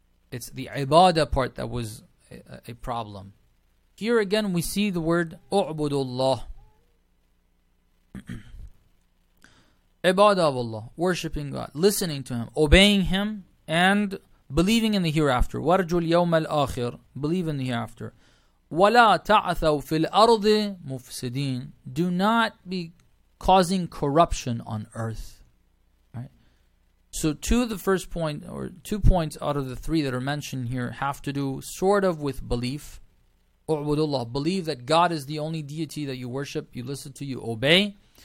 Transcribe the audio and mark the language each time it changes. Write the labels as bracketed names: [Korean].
[English] It's the ibadah part that was a problem. Here again, we see the word U'budullah. Ibadah of Allah, worshipping God, listening to Him, obeying Him, and believing in the hereafter. [Arabic] وَرْجُ الْيَوْمَ الْآخِرِ, [English] believe in the hereafter. [Arabic] وَلَا تَعْثَوْ فِي الْأَرْضِ مُفْسِدِينَ, [English] do not be causing corruption on earth. Right? So two of the first point, or two points out of the three that are mentioned here, have to do sort of with belief. U'budullah, believe that God is the only deity that you worship, you listen to, you obey.